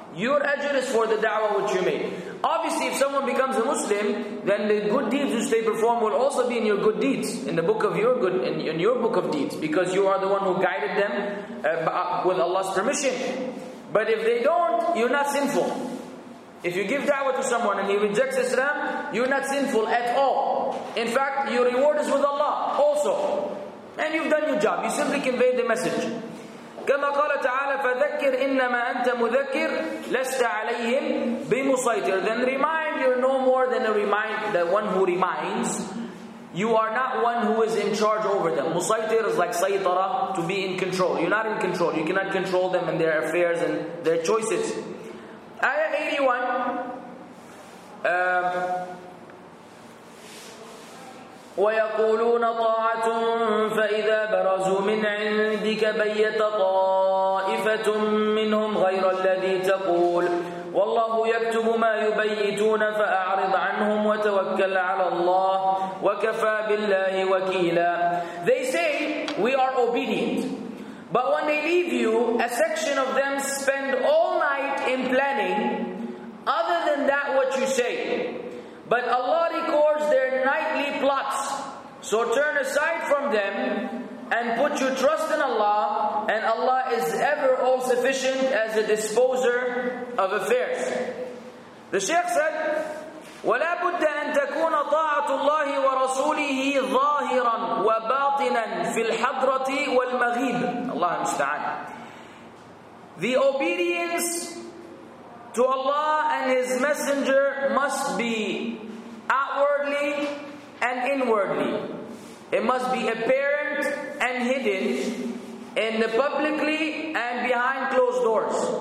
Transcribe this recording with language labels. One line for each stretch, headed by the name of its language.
English: Your ajr is for the da'wah which you made. Obviously, if someone becomes a Muslim, then the good deeds which they perform will also be in your good deeds, in the book of your good, in your book of deeds, because you are the one who guided them with Allah's permission. But if they don't, you're not sinful. If you give da'wah to someone and he rejects Islam, you're not sinful at all. In fact, your reward is with Allah also. And you've done your job. You simply conveyed the message.
Arabic: كما قال تعالى فذكر إنما أنت مذكر لست عليهم بمسيطر.
English: Then remind, you're no more than a remind, the one who reminds. You are not one who is in charge over them. Musaytir is like sayitara, to be in control. You're not in control. You cannot control them and their affairs and their choices. Ayah 81.
Arabic: وَيَقُولُونَ طَاعَةٌ فَإِذَا بَرَزُوا مِنْ عِنْدِكَ بَيَّتَ طَائِفَةٌ مِّنْهُمْ غَيْرَ الَّذِي تَقُولُ وَاللَّهُ يَكْتُبُ مَا يُبَيِّتُونَ فَأَعْرِضْ عَنْهُمْ وَتَوَكَّلْ عَلَى اللَّهِ وَكَفَى بِاللَّهِ وَكِيلًا.
English: They say, we are obedient. But when they leave you, a section of them spend all night in planning, other than that what you say. But Allah records their nightly plots. So turn aside from them and put your trust in Allah, and Allah is ever all-sufficient as a disposer of affairs. The Shaykh said,
Arabic: وَلَا بُدَّ أَن تَكُونَ طَاعَةُ اللَّهِ وَرَسُولِهِ ظَاهِرًا وَبَاطِنًا فِي الْحَضْرَةِ وَالْمَغِيبِ.
English: Allah musta'an. The obedience to Allah and His Messenger must be outwardly and inwardly. It must be apparent and hidden, in the publicly and behind closed doors.